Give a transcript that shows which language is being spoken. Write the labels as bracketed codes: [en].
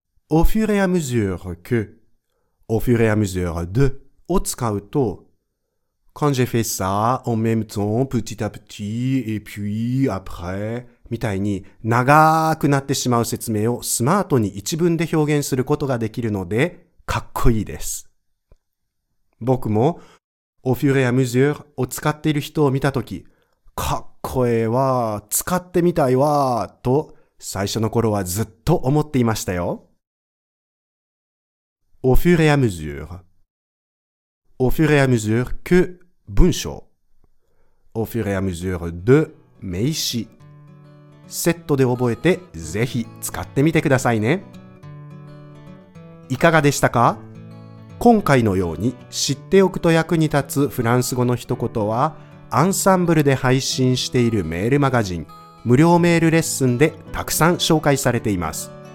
[fr] Au fur et à mesure que, au fur et à mesure de [ja] を使うと、 [fr] Quand j'ai fait ça, en même temps, petit à petit, et puis, après, [ja] みたいに長くなってしまう説明をスマートに一文で表現することができるので、かっこいいです。僕も、 [fr] au fur et à mesure [ja] を使っている人を見たとき、かっこええわ、使ってみたいわ、と最初の頃はずっと思っていましたよ。 Au fur et à mesure. [fr] Au fur et à mesure que [ja] 文章。 [fr] Au fur et à mesure de [ja] 名詞。セットで覚えてぜひ使ってみてくださいね。いかがでしたか？今回のように知っておくと役に立つフランス語の一言は、アンサンブルで配信しているメールマガジン無料メールレッスンでたくさん紹介されています。